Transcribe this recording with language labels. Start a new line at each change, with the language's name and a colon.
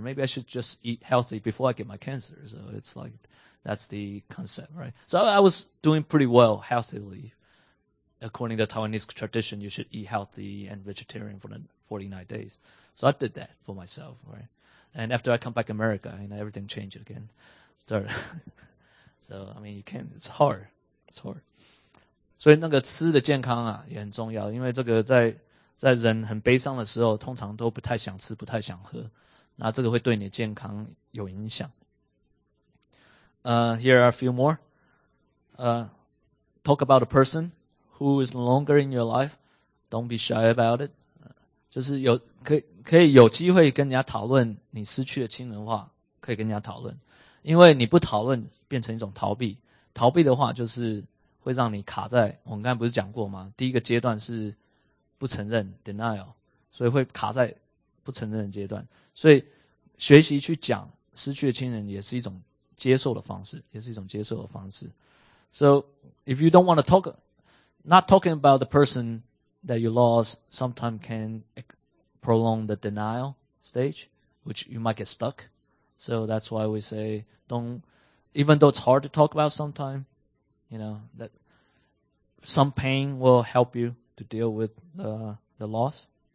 English: Maybe I should just eat healthy before I get my cancer. So it's like, that's the concept, right? So I was doing pretty well healthily. According to Taiwanese tradition, you should eat healthy and vegetarian for the 49 days. So I did that for myself, right? And after I come back to America, you know, everything changed again. So, I mean, you can, it's hard.
Chinese: 所以那个吃的健康啊也很重要，因为这个在人很悲伤的时候，通常都不太想吃，不太想喝，那这个会对你的健康有影响。
English: Here are a few more. Talk about a person who is no longer in your life. Don't be shy about it.
Chinese: 就是有可以有机会跟人家讨论你失去的亲人的话，可以跟人家讨论，因为你不讨论变成一种逃避，逃避的话就是会让你卡在，我们刚才不是讲过吗，第一个阶段是不承认 denial， 所以会卡在不承认的阶段，所以学习去讲失去的亲人也是一种接受的方式，也是一种接受的方式。
English: So if you don't want to talk, not talking about the person that you lost sometime can prolong the denial stage, which you might get stuck. So that's why we say even though it's hard to talk about sometime, you know, that some pain will help you to deal with the loss.